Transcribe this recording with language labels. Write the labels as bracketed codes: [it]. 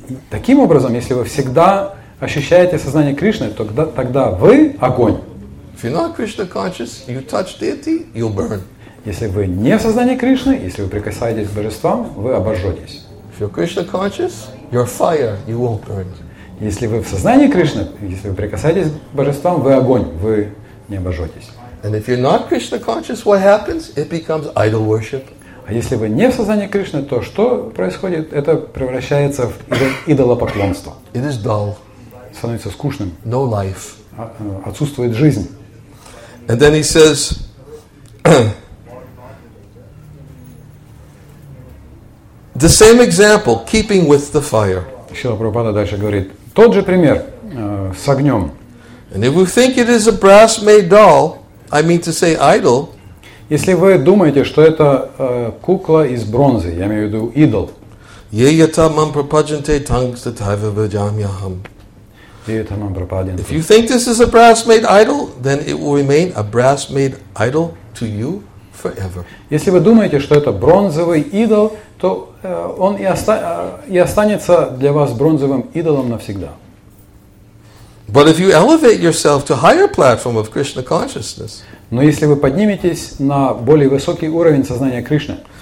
[ru] Таким образом, если вы всегда ощущаете сознание Кришны, тогда вы огонь. [en] If you're not Krishna conscious, you touch deity, you'll burn. [ru] Если вы не в сознании Кришны, если вы прикасаетесь к божествам, вы обожжетесь. [en] If you're Krishna conscious, you're fire, you won't burn. [ru] Если вы в сознании Кришны, если вы прикасаетесь к божествам, вы огонь, вы не обожжетесь. [en] And if you're not Krishna conscious, what happens? It becomes idol worship. [ru] А если вы не в сознании Кришны, то что происходит? Это превращается в идолопоклонство. [en] It is dull. [ru] Становится скучным. [en] No life. [ru] Отсутствует жизнь. [en] And then he says, the same example, keeping with the fire. [ru] Шрила Прабхупада дальше говорит, тот же пример с огнем. [en] And if you think it is a brass made doll, I mean to say idol. [ru] Если вы думаете, что это кукла из бронзы, я имею в виду идол. [sa] Ейята мам прападжанте тангста тайва ваджамьяхам. [en] If you think this is a brass-made idol, then it will remain a brass-made idol to you forever. [ru] Если вы думаете, что это бронзовый идол, то он и останется для вас бронзовым идолом навсегда. [en] But if you elevate yourself to higher platform of Krishna consciousness, [ru] но если вы подниметесь на более высокий уровень сознания Кришны,